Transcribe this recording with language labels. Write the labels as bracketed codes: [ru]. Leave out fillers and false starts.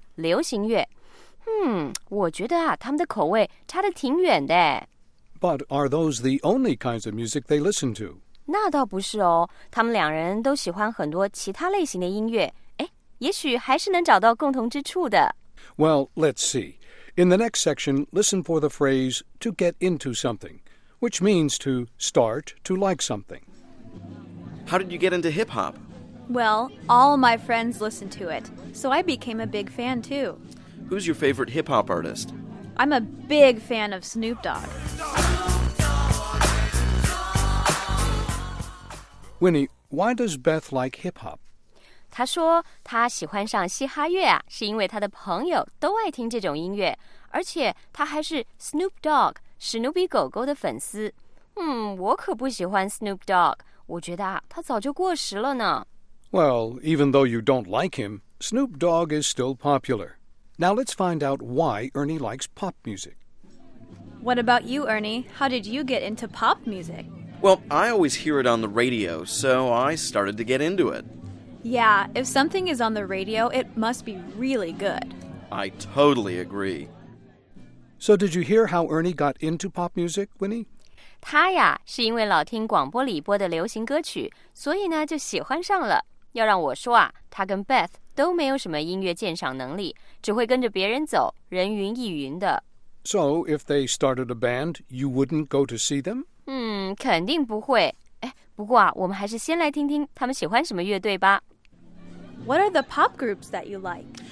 [zh] 流行乐，我觉得啊，他们的口味差得挺远的。 [en] But are those the only kinds of music they listen to? [zh] 那倒不是哦，他们两人都喜欢很多其他类型的音乐。哎，也许还是能找到共同之处的。 [en] Well, let's see. In the next section, listen for the phrase to get into something, which means to start to like something. How did you get into hip-hop? Well, all my friends listen to it, so I became a big fan, too. Who's your favorite hip-hop artist? I'm a big fan of Snoop Dogg. Winnie, why does Beth like hip-hop? [zh] 她说她喜欢上嘻哈乐啊，是因为她的朋友都爱听这种音乐，而且她还是 Snoop Dogg, 史努比狗狗的粉丝。我可不喜欢 Snoop Dogg. 我觉得他早就过时了呢。 [en] Well, even though you don't like him, Snoop Dogg is still popular. Now let's find out why Ernie likes pop music. What about you, Ernie? How did you get into pop music? Well, I always hear it on the radio, so I started to get into it. Yeah, if something is on the radio, it must be really good. I totally agree. So did you hear how Ernie got into pop music, Winnie? [zh] 他呀，是因为老听广播里播的流行歌曲，所以呢，就喜欢上了。要让我说啊，他跟 Beth 都没有什么音乐鉴赏能力，只会跟着别人走，人云亦云的。 [en] So, if they started a band, you wouldn't go to see them? [zh] 肯定不会。哎，不过啊，我们还是先来听听他们喜欢什么乐队吧。 [en] What are the pop groups that you like?